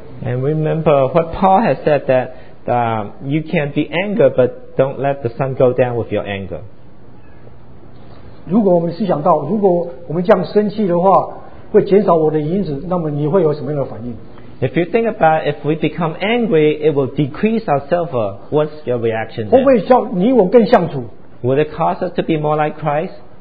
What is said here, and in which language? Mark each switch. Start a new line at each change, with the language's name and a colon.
English: And remember what Paul has said, that you can be angry, but don't let the sun go down with your anger.
Chinese: 如果我们思想到, 如果我们这样生气的话, 会减少我的银子, 那么你会有什么样的反应?
English: If you think about it, if we become angry, it will decrease our silver. What's your reaction then?
Chinese: 会不会叫你我更像主?
English: Will it cause us to be more like Christ?